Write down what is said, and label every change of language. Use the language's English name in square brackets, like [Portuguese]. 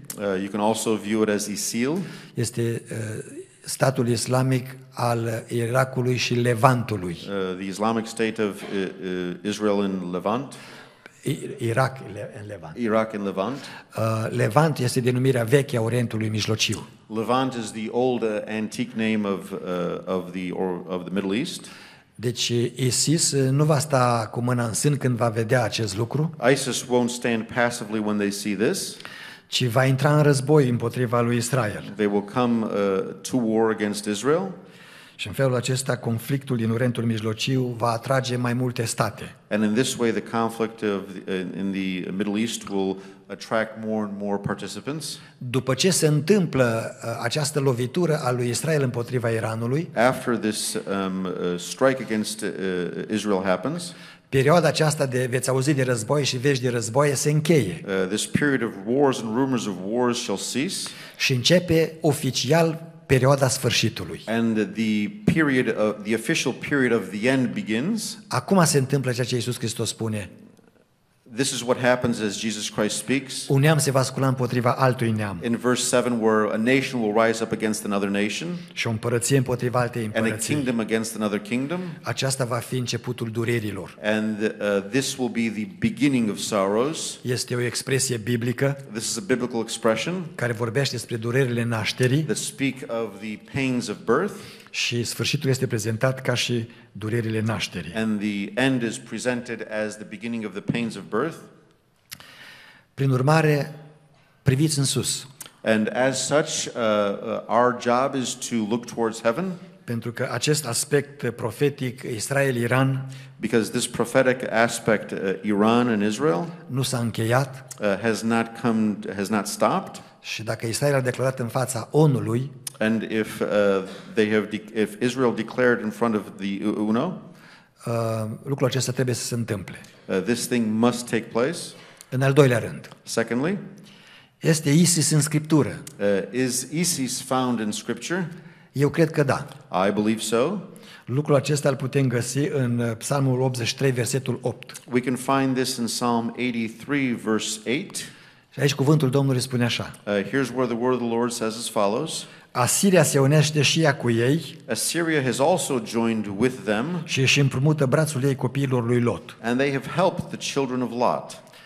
[English] you can also view it as ISIL, [Romanian] este statul islamic al Irakului și Levantului. [English] The Islamic State of Israel in Levant. Iraq and Levant. [Romanian] Levant este denumirea veche a Orientului Mijlociu. [English] Levant is the old antique name of the Middle East. [Romanian] Deci ISIS nu va sta cu mâna în sân când va vedea acest lucru. [English] ISIS won't stand passively when they see this. [Romanian] Ci va intra în război împotriva lui Israel. [English] They will come to war against Israel. [Romanian] Și în felul acesta conflictul din Orientul Mijlociu va atrage mai multe state. [English] And in this way the conflict in the Middle East will attract more and more participants. [Romanian] După ce se întâmplă această lovitură a lui Israel împotriva Iranului, [English] after this strike against Israel happens, [Romanian] perioada aceasta de veți auzi de război și vești de război se încheie. [English] This period of wars and rumors of wars shall cease. [Romanian] Și începe oficial perioada sfârșitului. [English] And the official period of the end begins. [Romanian] Acum se întâmplă ceea ce Iisus Hristos spune. [English] This is what happens as Jesus Christ speaks. [Romanian] Un neam se va scula împotriva altui neam. [English] In verse 7, where a nation will rise up against another nation. [Romanian] Și o împărăție împotriva altei împărății. [English] And a kingdom against another kingdom. [Romanian] Aceasta va fi începutul durerilor. [English] And this will be the beginning of sorrows. [Romanian] Este o expresie biblică. [English] This is a biblical expression. [Romanian] Care vorbește despre durerile nașterii. [English] That speak of the pains of birth. [Romanian] Și sfârșitul este prezentat ca și durerile nașterii. [English] And the end is presented as the beginning of the pains of birth. [Romanian] Prin urmare, priviți în sus. [English] And as such, our job is to look towards heaven. [Romanian] Pentru că acest aspect profetic Israel-Iran, [English] because this prophetic aspect Iran and Israel, [Romanian] nu s-a încheiat, [English] has not stopped, [Romanian] Și dacă Israel a declarat în fața ONU-lui, [English] and if they have if Israel declared in front of the UNO, [Romanian] lucrul acesta trebuie să se întâmple. [English] This thing must take place. [Romanian] În al doilea rând. [English] Secondly, [Romanian] este ISIS în scriptură? [English] Is ISIS found in scripture? [Romanian] Eu cred că da. [English] I believe so. [Romanian] Lucrul acesta îl putem găsi în Psalmul 83, versetul 8. [English] We can find this in Psalm 83, verse 8. [Romanian] Și aici cuvântul Domnului spune așa. [English] Here's where the word of the Lord says as follows. [Romanian] Asiria se unește și ea cu ei. [English] Assyria has also joined with them. [Romanian] Și își împrumută brațul ei copiilor lui Lot. [English] And they have helped the children of Lot.